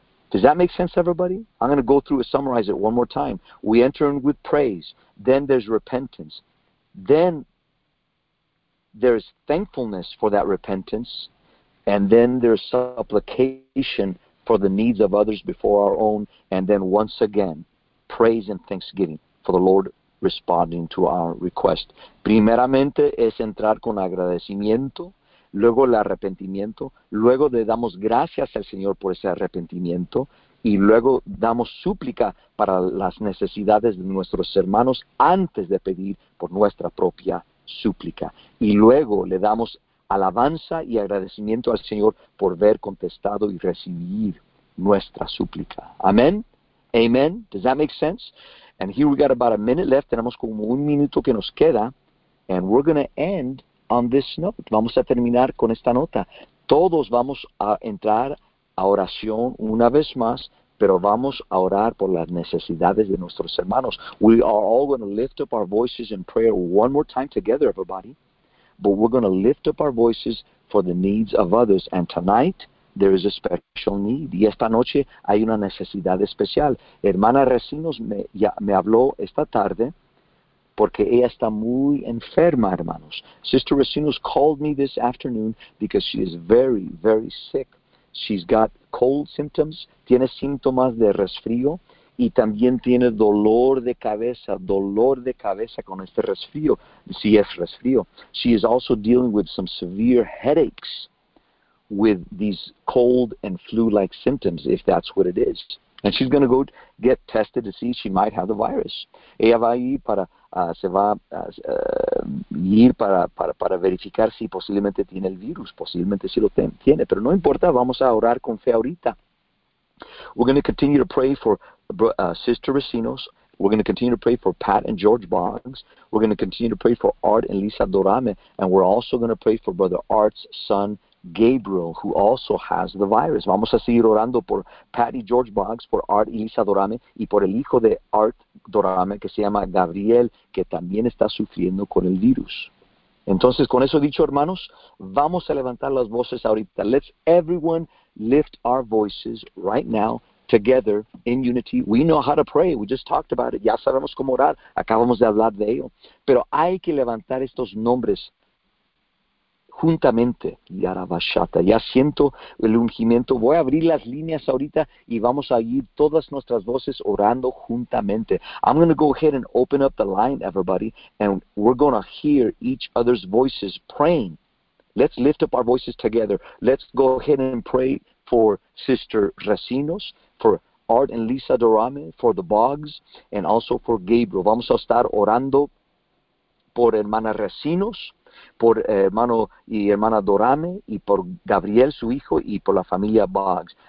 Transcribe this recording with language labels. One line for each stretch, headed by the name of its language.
English: Does that make sense, everybody? I'm going to go through and summarize it one more time. We enter in with praise. Then there's repentance. Then there's thankfulness for that repentance. And then there's supplication for the needs of others before our own. And then once again, praise and thanksgiving for the Lord responding to our request.
Spanish: Primeramente es entrar con agradecimiento. Luego el arrepentimiento, luego le damos gracias al Señor por ese arrepentimiento y luego damos súplica para las necesidades de nuestros hermanos antes de pedir por nuestra propia súplica. Y luego le damos alabanza y agradecimiento al Señor por haber contestado y recibir nuestra súplica. Amén. Amén.
English: Does that make sense? And here we got about a minute left.
Spanish: Tenemos como un minuto que nos queda.
English: And we're going to end on this note.
Spanish: Vamos a terminar con esta nota. Todos vamos a entrar a oración una vez más, pero vamos a orar por las necesidades de nuestros hermanos.
English: We are all going to lift up our voices in prayer one more time together, everybody. But we're going to lift up our voices for the needs of others. And tonight, there is a special need.
Spanish: Y esta noche hay una necesidad especial. Hermana Recinos me habló esta tarde porque ella está muy enferma, hermanos.
English: Sister Racinos called me this afternoon because she is very, very sick. She's got cold symptoms,
Spanish: tiene síntomas de resfrío, y también tiene dolor de cabeza con este resfrío, si es resfrío.
English: She is also dealing with some severe headaches with these cold and flu-like symptoms, if that's what it is. And she's going to go get tested to see if she might have the virus.
Spanish: Ella va a ir para, se va a ir para verificar si posiblemente tiene el virus, posiblemente si lo tiene, pero no importa, vamos a orar con fe ahorita.
English: We're going to continue to pray for Sister Recinos. We're going to continue to pray for Pat and George Boggs. We're going to continue to pray for Art and Lisa Dorame. And we're also going to pray for Brother Art's son, Gabriel, who also has the virus.
Spanish: Vamos a seguir orando por Patty George Boggs, por Art y Lisa Dorame, y por el hijo de Art Dorame, que se llama Gabriel, que también está sufriendo con el virus. Entonces, con eso dicho, hermanos, vamos a levantar las voces ahorita.
English: Let's everyone lift our voices right now, together, in unity. We know how to pray. We just talked about it.
Spanish: Ya sabemos cómo orar. Acabamos de hablar de ello. Pero hay que levantar estos nombres juntamente, Yarabashata. Ya siento el ungimiento. Voy a abrir las líneas ahorita y vamos a ir todas nuestras voces orando juntamente.
English: I'm going to go ahead and open up the line, everybody, and we're going to hear each other's voices praying. Let's lift up our voices together. Let's go ahead and pray for Sister Recinos, for Art and Lisa Dorame, for the Boggs, and also for Gabriel.
Spanish: Vamos a estar orando por hermana Recinos, por hermano y hermana Dorame, y por Gabriel, su hijo, y por la familia Boggs.